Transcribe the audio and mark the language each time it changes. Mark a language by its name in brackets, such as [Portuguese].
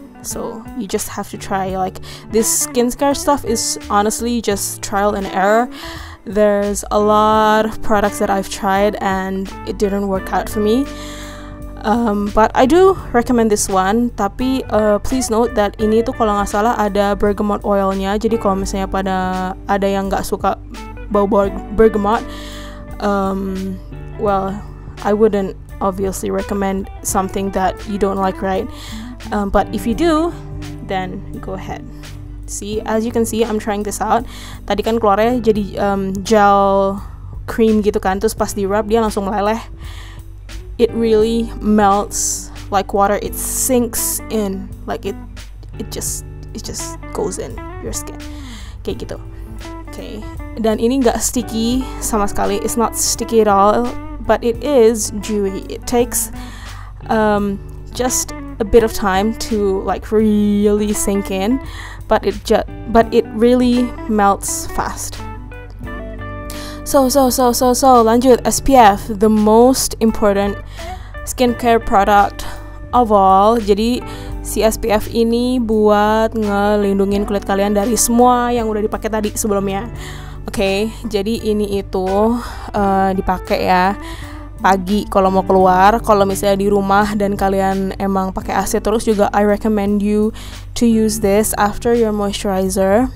[English] So you just have to try. Like, this skincare stuff is honestly just trial and error. There's a lot of products that I've tried and it didn't work out for me. But I do recommend this one. [Indonesian] Tapi [English] please note that [Indonesian] ini tuh kalau nggak salah ada bergamot oilnya. Jadi kalau misalnya pada ada yang nggak suka bau bergamot, [English] well, I wouldn't obviously recommend something that you don't like, right? But if you do, then go ahead. See, as you can see, I'm trying this out. [Indonesian] Tadi kan keluarnya jadi gel cream gitu kan, terus pas di rub dia langsung meleleh. [English] It really melts like water. It sinks in, like it just goes in your skin. [Indonesian] Kayak gitu. Okay. Dan ini enggak sticky sama sekali. [English] It's not sticky at all, but it is dewy. It takes just a bit of time to like really sink in, but it really melts fast. So lanjut, SPF, the most important skincare product of all. [Indonesian] Jadi si SPF ini buat ngelindungin kulit kalian dari semua yang udah dipakai tadi sebelumnya. Okay, jadi ini itu dipakai ya pagi kalau mau keluar. Kalau misalnya di rumah dan kalian emang pakai AC terus, juga [English] I recommend you to use this after your moisturizer.